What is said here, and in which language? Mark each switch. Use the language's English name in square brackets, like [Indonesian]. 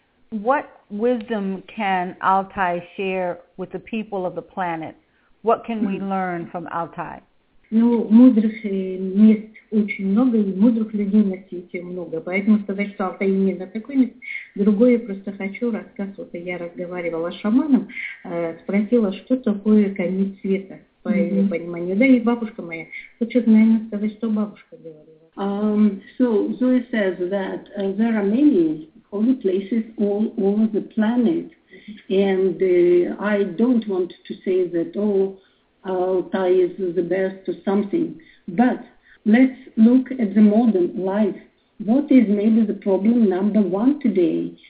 [English] What wisdom can Altai share with the people of the planet? What can we learn from Altai? [Russian] Ну, мудрых мест очень много, и мудрых людей на свете много. Поэтому сказать, что Алтай именно такой мест. Другое просто хочу рассказать. Вот я разговаривала с шаманом, спросила, что такое конец света, по его пониманию. Да, и бабушка моя. Хочет, наверное, сказать, что бабушка говорила. [English] So, Zoe says that there are many holy places all over the planet. And I don't want to say that all Altai is the best or something. But let's look at the modern life. What is maybe the problem number one today?